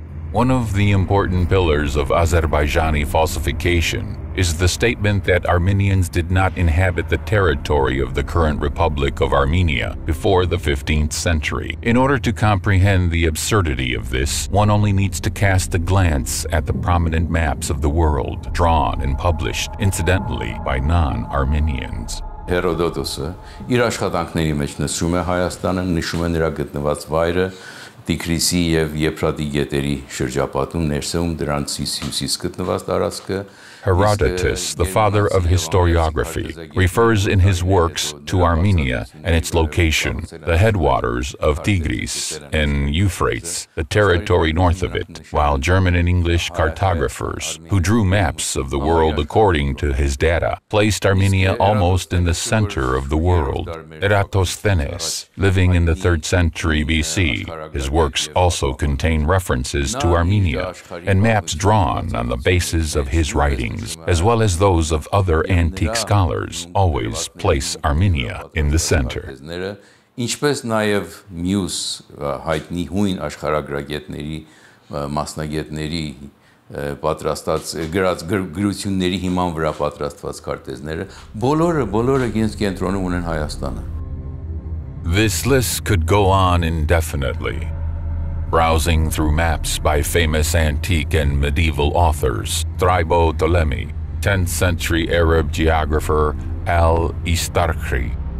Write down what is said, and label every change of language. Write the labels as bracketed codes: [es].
[en] One of the important pillars of Azerbaijani falsification is the statement that Armenians did not inhabit the territory of the current Republic of Armenia before the 15th century. In order to comprehend the absurdity of this, one only needs to cast a glance at the prominent maps of the world, drawn and published, incidentally, by non-Armenians. [hy] Herodotus, իր աշխատանքների մեջ նշում է Հայաստանը, նշում է նրա գտնված վայրը, Տիգրիսի եւ Եփրատի գետերի շրջապատում ներսում դրանցից հյուսիս գտնված տարածքը. [en] Herodotus, the father of historiography, refers in his works to Armenia and its location, the headwaters of Tigris and Euphrates, the territory north of it, while German and English cartographers, who drew maps of the world according to his data, placed Armenia almost in the center of the world. Eratosthenes, living in the 3rd century BC, his works also contain references to Armenia and maps drawn on the basis of his writings, as well as those of other antique scholars, always place Armenia in the center. [hy] Ինչպես նաև մյուս հայտնի հույն աշխարհագրագետների մասնագետների պատրաստած գրած գրությունների հիման վրա պատրաստված քարտեզները բոլորը ինձ կենտրոնում ունեն Հայաստանը. [en] This list could go on indefinitely, browsing through maps by famous antique and medieval authors, Thribo Ptolemy, 10th century Arab geographer Al-Istarkhri.